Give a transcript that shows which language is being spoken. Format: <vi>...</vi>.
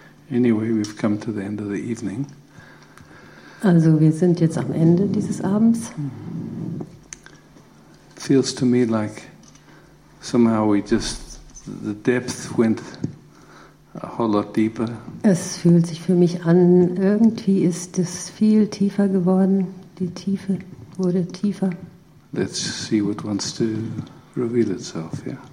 <en>Anyway, we've come to the end of the evening.</en> <de>Also, wir sind jetzt am Ende dieses Abends.</de> <en>Feels to me like somehow the depth went a whole lot deeper.</en> <de>Es fühlt sich für mich an, irgendwie ist es viel tiefer geworden. Die Tiefe wurde tiefer.</de> <en>Let's see what wants to reveal itself, yeah.</en>